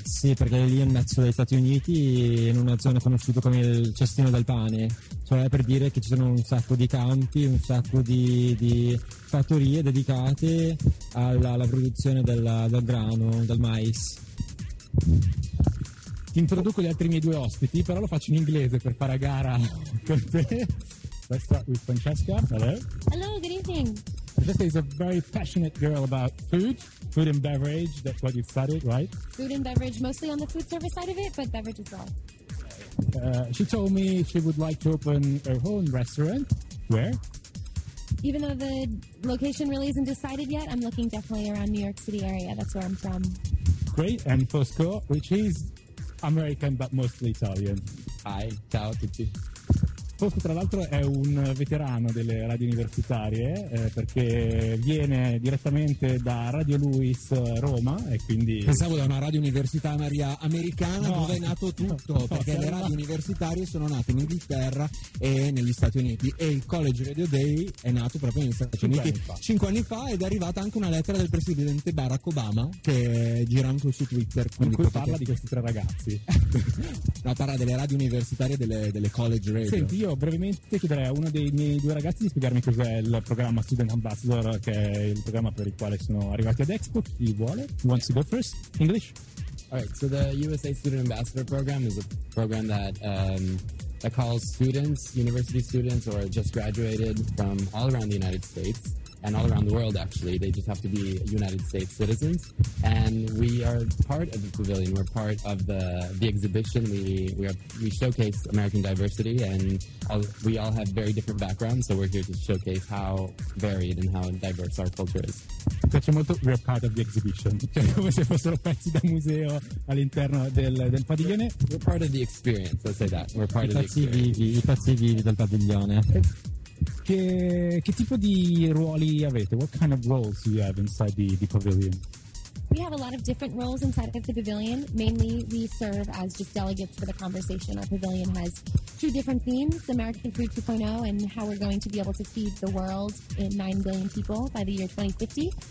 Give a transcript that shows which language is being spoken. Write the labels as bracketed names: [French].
[Italian] Sì, perché lì è in mezzo agli Stati Uniti, in una zona conosciuta come il cestino del pane, cioè per dire che ci sono un sacco di campi, un sacco di fattorie dedicate alla produzione del grano, del mais. Ti introduco gli altri miei due ospiti, però lo faccio in inglese per fare a gara con te. [English] Let's start with Francesca. Hello. Hello, good evening. Francesca is a very passionate girl about food and beverage. That's what you studied, right? Food and beverage, mostly on the food service side of it, but beverage as well. She told me she would like to open her own restaurant. Where? Even though the location really isn't decided yet, I'm looking definitely around New York City area. That's where I'm from. Great. And Fosco, which is American but mostly Italian. Hi. [Italian] Ciao a tutti. Fosco, tra l'altro, è un veterano delle radio universitarie perché viene direttamente da Radio Luis Roma e quindi... Pensavo da una radio universitaria americana, no, dove è nato tutto, perché le radio universitarie sono nate in Inghilterra e negli Stati Uniti e il College Radio Day è nato proprio negli Stati Uniti 5 anni fa ed è arrivata anche una lettera del presidente Barack Obama che gira anche su Twitter. Quindi in cui parla di questi tre ragazzi. No, parla delle radio universitarie e delle College Radio. Senti, io brevemente chiederei a uno dei miei due ragazzi di spiegarmi cos'è il programma Student Ambassador, che è il programma per il quale sono arrivati ad Expo. Chi vuole? [English] Who wants to go first? English? All right, so the USA Student Ambassador Program is a program that that calls students, university students or just graduated from all around the United States and all around the world, actually. They just have to be United States citizens. And we are part of the pavilion. We're part of the exhibition. We showcase American diversity, and we all have very different backgrounds, so we're here to showcase how varied and how diverse our culture is. [Italian] Piace molto, [English] we're part of the exhibition. [Italian] Come se fossero pezzi da museo all'interno del padiglione. [English] We're part of the experience, let's say that. We're part of the experience. [Italian] I pezzi vivi del padiglione. Che tipo di ruoli avete? [English] What kind of roles do you have inside the pavilion? We have a lot of different roles inside of the pavilion. Mainly, we serve as just delegates for the conversation. Our pavilion has two different themes, American Food 2.0 and how we're going to be able to feed the world in 9 billion people by the year 2050.